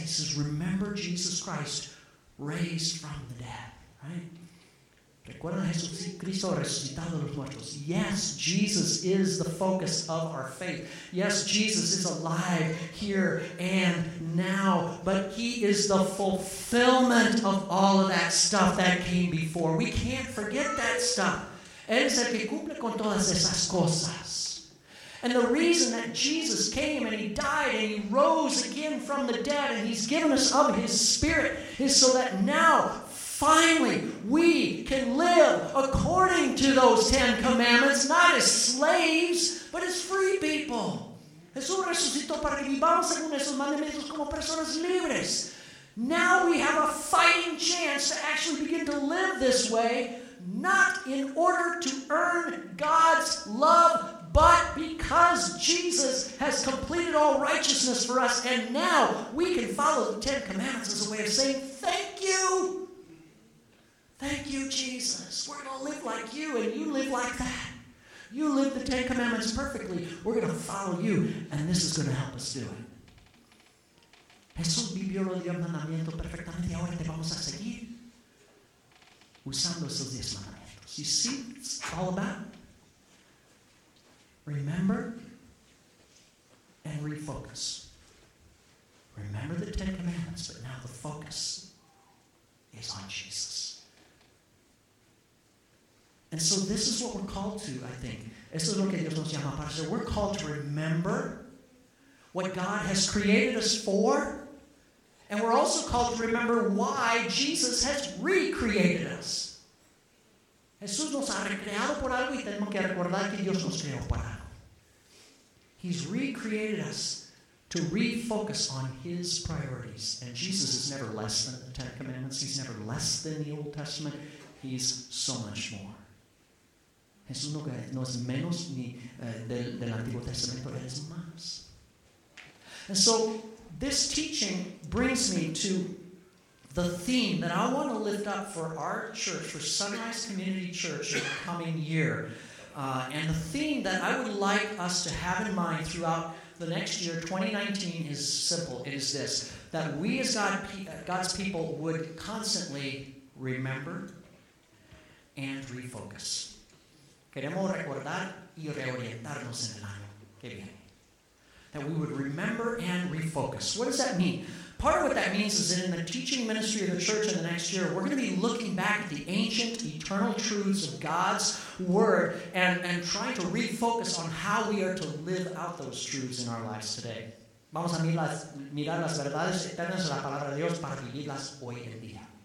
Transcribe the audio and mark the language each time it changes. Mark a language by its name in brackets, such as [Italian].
[English] He says, remember Jesus Christ raised from the dead. Right? [Spanish] Recuerda a Jesús Cristo resucitado de los muertos. [English] Yes, Jesus is the focus of our faith. Yes, Jesus is alive here and now, but he is the fulfillment of all of that stuff that came before. We can't forget that stuff. [Spanish] Él es el que cumple con todas esas cosas. [English] And the reason that Jesus came and he died and he rose again from the dead and he's given us of his spirit is so that now, finally, we can live according to those Ten Commandments, not as slaves, but as free people. [Spanish] Jesús resucitó para que vivamos según esos mandamientos como personas libres. [English] Now we have a fighting chance to actually begin to live this way, not in order to earn God's love, but because Jesus has completed all righteousness for us, and now we can follow the Ten Commandments as a way of saying, thank you, Jesus. We're going to live like you, and you live like that. You live the Ten Commandments perfectly. We're going to follow you, and this is going to help us do it. [Spanish] Jesús vivió los 10 mandamientos perfectamente, y ahora te vamos a seguir usando esos 10 mandamientos. [English] You see what it's all about? Remember and refocus. Remember the Ten Commandments, but now the focus is on Jesus. And so this is what we're called to, I think. [Spanish] Eso es lo que Dios nos llama para hacer. [English] We're called to remember what God has created us for. And we're also called to remember why Jesus has recreated us. [Spanish] Jesús nos ha recreado por algo y tenemos que recordar que Dios nos creó para algo. [English] He's recreated us to refocus on his priorities. And Jesus is never less than the Ten Commandments. He's never less than the Old Testament. He's so much more. [Spanish] Jesús no es menos ni del Antiguo Testamento, él es más. [English] And so, this teaching brings me to the theme that I want to lift up for our church, for Sunrise Community Church in the coming year. And the theme that I would like us to have in mind throughout the next year, 2019, is simple. It is this, that we as God's people would constantly remember and refocus. [Spanish] Queremos recordar y reorientarnos en el año. Qué bien. [English] That we would remember and refocus. What does that mean? Part of what that means is that in the teaching ministry of the church in the next year, we're going to be looking back at the ancient, eternal truths of God's Word and trying to refocus on how we are to live out those truths in our lives today. [Spanish] Vamos a mirar las verdades eternas de la Palabra de Dios para vivirlas hoy en día.